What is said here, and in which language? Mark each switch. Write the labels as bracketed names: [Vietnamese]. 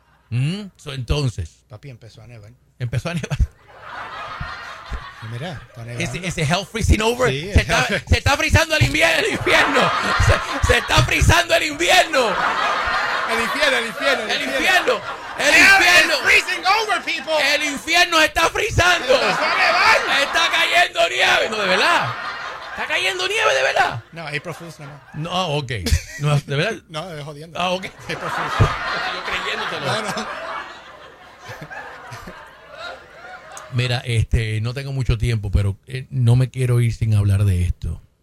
[Spanish] ¿Mm? So, entonces, papi, empezó a nevar. Empezó a nevar. Mira, ¿es el [English] hell freezing over? [Spanish] Sí, se está frizando el infierno. Se está frizando el infierno. El infierno. El infierno. [English] It's freezing over, people. [Spanish] El infierno está frizando. Está cayendo nieve. No, de verdad. Está cayendo nieve, de verdad. No, April Fools, no. No, okay. No, de verdad. No, es jodiendo. Ah, okay. [English] April Fools. [Spanish] Yo creyéndotelo. No. Mira, no tengo mucho tiempo, pero no me quiero ir sin hablar de esto.